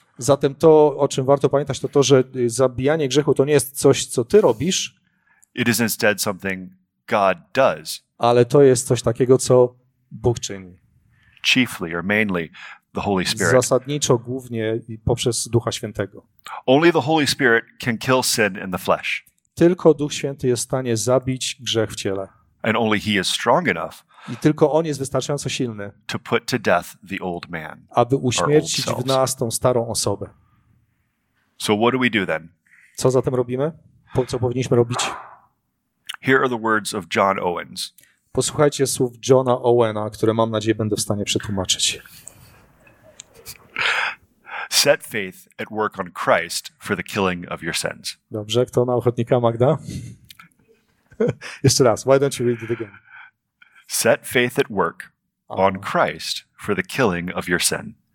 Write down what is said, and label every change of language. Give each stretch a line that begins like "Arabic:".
Polish: Zatem to, o czym warto pamiętać, to to, że zabijanie grzechu to nie jest coś, co ty robisz.
English: It is instead something God does.
Polish: Ale to jest coś takiego, co Bóg czyni.
English: Chiefly or mainly the Holy Spirit.
Polish: Zasadniczo głównie poprzez Ducha Świętego.
English: Only the Holy Spirit can kill sin in the flesh.
Polish: Tylko Duch Święty jest w stanie zabić grzech w ciele.
English: And only he is strong enough.
Polish: I tylko on jest wystarczająco silny,
English: to put to death the old man,
Polish: aby uśmiercić w nas tą starą osobę.
English: So what do we do then?
Polish: Co zatem robimy? Co powinniśmy robić?
English: Here are the words of John Owens.
Polish: Posłuchajcie słów Johna Owena, które mam nadzieję będę w stanie przetłumaczyć.
English: Set faith at work on Christ for the killing of your sins.
Polish: Dobrze, kto na ochotnika, Magda? Jeszcze raz,
English: why don't you read it again? Set faith at work on Christ for the killing of your sin.